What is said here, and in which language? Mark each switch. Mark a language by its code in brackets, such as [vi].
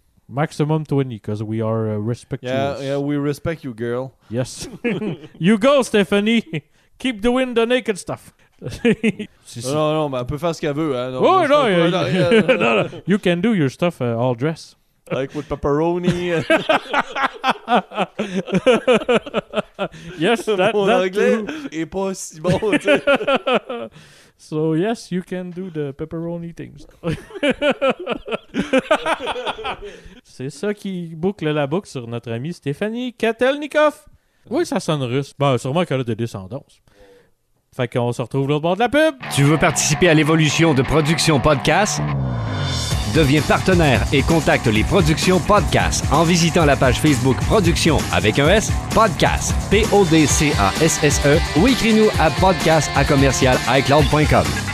[en] Maximum 20, because we are respectful. Yeah, yeah, we respect you, girl. Yes. You go, Stephanie. Keep doing the naked stuff. [fr] Non, non, mais elle peut faire ce qu'elle veut. Hein. Non, oh, non, [en] yeah, yeah. [fr] Non, non. [en] You can do your stuff all dress. Like with pepperoni. Yes, that, [fr] mon [en] that [fr] anglais est pas si bon. [en] So yes, you can do the pepperoni things. [fr] C'est ça qui boucle la boucle sur notre amie Stéphanie Katelnikov. Oui, ça sonne russe. Ben, sûrement qu'elle a de descendance. Fait qu'on se retrouve l'autre bord de la pub. Tu veux participer à l'évolution de Production Podcast? Deviens partenaire et contacte les Productions Podcast en visitant la page Facebook Productions avec un S, Podcast, P-O-D-C-A-S-S-E, ou écris-nous à podcast@commercial.com.